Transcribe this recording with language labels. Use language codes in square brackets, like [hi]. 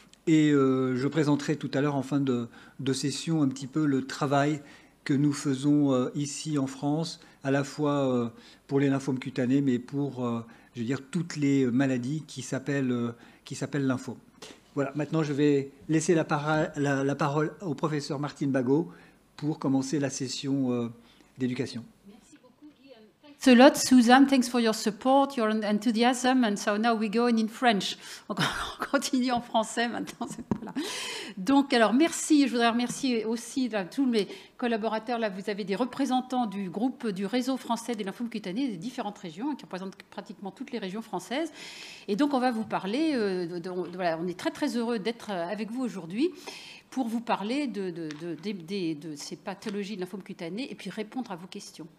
[fr] Et je présenterai tout à l'heure en fin de session un petit peu le travail que nous faisons ici en France, à la fois pour les lymphomes cutanés, mais pour je veux dire, toutes les maladies qui s'appellent lymphome. Voilà, maintenant je vais laisser la parole au professeur Martine Bagot pour commencer la session d'éducation. [en] So a lot, Suzanne, thanks for your support, your enthusiasm, and so now we go in French. [fr] On continue en français maintenant, c'est pas là. Donc, alors, merci, je voudrais remercier aussi là, tous mes collaborateurs. Là, vous avez des représentants du groupe du réseau français des lymphomes cutanés des différentes régions, qui représentent pratiquement toutes les régions françaises. Et donc, on va vous parler, voilà, on est très, très heureux d'être avec vous aujourd'hui pour vous parler de ces pathologies de lymphome cutané et puis répondre à vos questions.